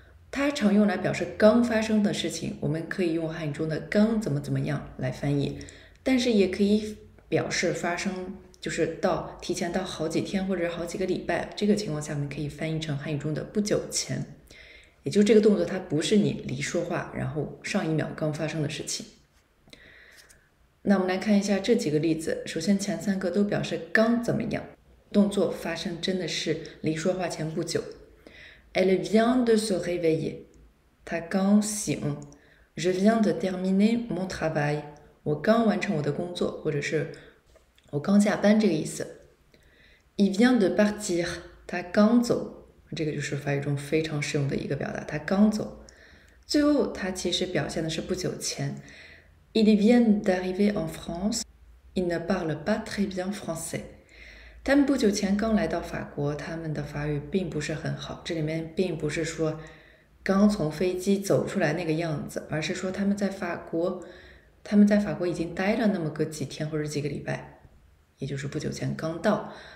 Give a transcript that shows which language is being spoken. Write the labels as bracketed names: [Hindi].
[Chinese] 它常用来表示刚发生的事情，我们可以用汉语中的刚怎么怎么样来翻译，但是也可以表示发生，就是到提前到好几天或者好几个礼拜，这个情况下我们可以翻译成汉语中的不久前。也就这个动作，它不是你离说话，然后上一秒刚发生的事情。那我们来看一下这几个例子。首先，前三个都表示刚怎么样，动作发生真的是离说话前不久。 [French] Elle vient de se réveiller， [Chinese] 她刚醒。 [French] Je viens de terminer mon travail， [Chinese] 我刚完成我的工作，或者是我刚下班这个意思。 [French] Il vient de partir， [Chinese] 他刚走。这个就是法语中非常适用的一个表达，他刚走。最后，他其实表现的是不久前。 [French] Il vient d'arriver en France, il ne parle pas très bien français。 [Chinese] 他们不久前刚来到法国，他们的法语并不是很好。这里面并不是说刚从飞机走出来那个样子，而是说他们在法国已经待了那么个几天或者几个礼拜，也就是不久前刚到。